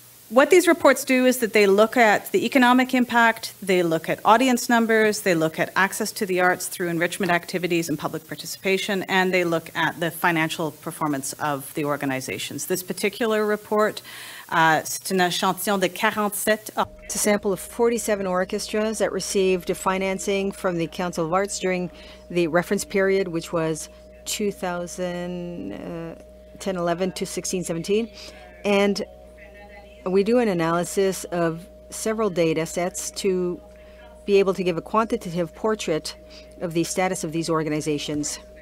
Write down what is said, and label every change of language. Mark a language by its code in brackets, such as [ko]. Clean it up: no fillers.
[en] What these reports do is that they look at the economic impact, they look at audience numbers, they look at access to the arts through enrichment activities and public participation, and they look at the financial performance of the organizations. This particular report, [fr] c'est un échantillon de 47... [en] It's a sample of 47 orchestras that received financing from the Council of Arts during the reference period, which was 2010-11 to 16-17. And we do an analysis of several data sets to be able to give a quantitative portrait of the status of these organizations.